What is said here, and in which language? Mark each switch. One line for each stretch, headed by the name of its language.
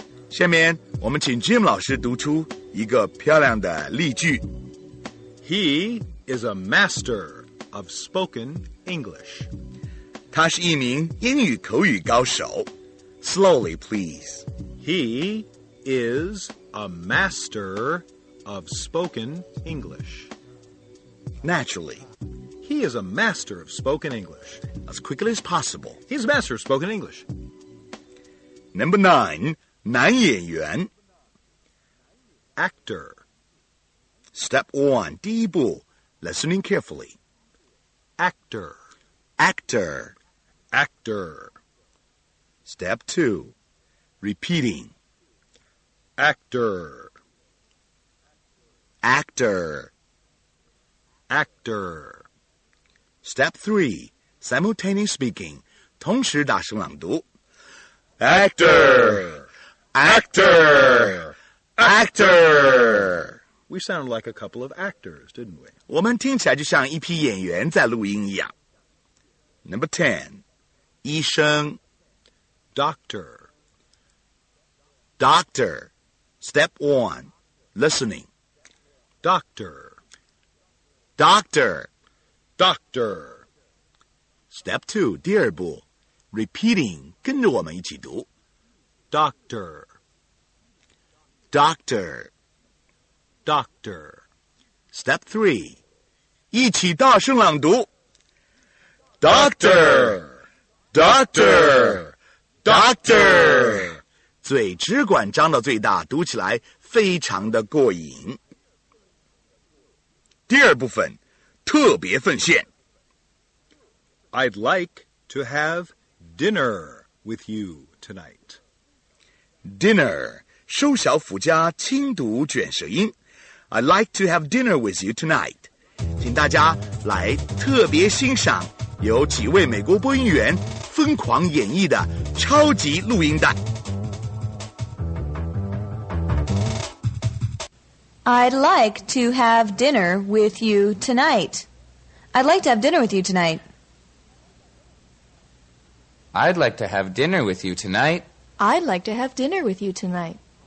Chinese: 下面我们请 Jim 老师读出一个漂亮的例句。
English: He is a master of spoken English.
Chinese: 他是一名英语口语高手。
English: Slowly, please. He is a master of spoken English. Naturally. He is a master of spoken English. As quickly as possible. He's a master of spoken English. Number 9,
Chinese: 男演员
English: Actor. Step 1,
Chinese: 第一步,
English: listening carefully. Actor. Actor. Actor. Step 2, repeating. Actor. Actor. Actor. Step 3, simultaneous speaking,
Chinese: 同时大声朗读。
English: Actor! Actor! Actor! We sounded like a couple of actors, didn't we?
Chinese: 我们听起来就像一批演员在录音一样。
English: Number 10,
Chinese: 医生。
English: Doctor. Doctor. Step 1, listening. Doctor. Doctor. Doctor. Step 2,
Chinese: 第二步,
English: repeating,
Chinese: 跟着我们一起读。
English: Doctor. Doctor. Doctor. Step 3,
Chinese: 一起大声朗读。
English: Doctor. Doctor. Doctor.
Chinese: 嘴只管张到最大，读起来非常的过瘾。第二部分，特别奉献。
English: I'd like to have dinner with you tonight.
Chinese: Dinner, 收小腹加轻读卷舌音。
English: I'd like to have dinner with you tonight.
Chinese: 请大家来特别欣赏由几位美国播音员疯狂演绎的超级录音带。
English: I'd like to have dinner with you tonight. I'd like to have dinner with you tonight. I'd like to have dinner with you tonight. I'd like to have dinner with you tonight.